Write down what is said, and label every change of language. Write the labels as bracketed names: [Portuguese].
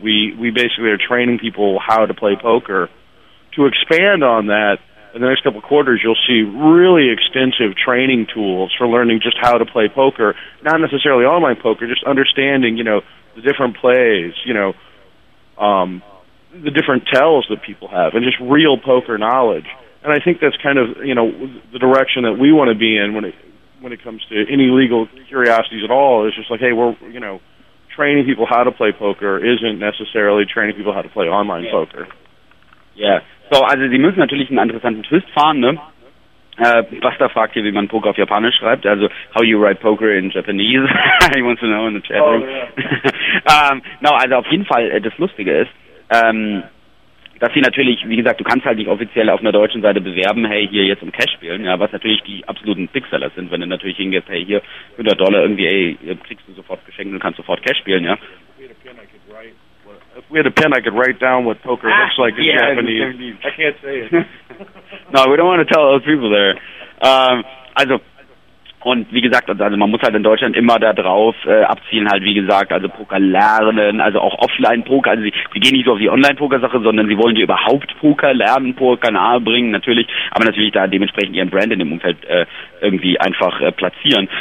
[English] We basically are training people how to play poker. To expand on that, in the next couple of quarters, you'll see really extensive training tools for learning just how to play poker, not necessarily online poker, just understanding, you know, the different plays, you know, the different tells that people have, and just real poker knowledge. And I think that's kind of, you know, the direction that we want to be in when it comes to any legal curiosities at all. It's just like, hey, we're, you know, training people how to play poker isn't necessarily training people how to play online poker. Yeah. [German] So, also, Sie müssen natürlich einen interessanten Twist fahren, ne? Buster fragt hier, wie man Poker auf Japanisch schreibt, also [English] how you write poker in Japanese. He wants to know in the chat room. [German] Also auf jeden Fall, das Lustige ist, dass sie natürlich, wie gesagt, du kannst halt nicht offiziell auf einer deutschen Seite bewerben, hey, hier jetzt um Cash spielen, ja, was natürlich die absoluten Big-Sellers sind, wenn du natürlich hingehst, hey, hier $100 irgendwie, ey, kriegst du sofort geschenkt und kannst sofort Cash spielen, ja. [English] If we had a pen, I could write down what poker looks like in Japanese. I can't say it. No, we don't want to tell those people there. [German] Und wie gesagt, also man muss halt in Deutschland immer da drauf abzielen, halt wie gesagt, also Poker lernen, also auch Offline-Poker, also sie gehen nicht so auf die Online-Poker-Sache, sondern sie wollen dir überhaupt Poker lernen, Poker nahe bringen, natürlich, aber natürlich da dementsprechend ihren Brand in dem Umfeld irgendwie einfach platzieren.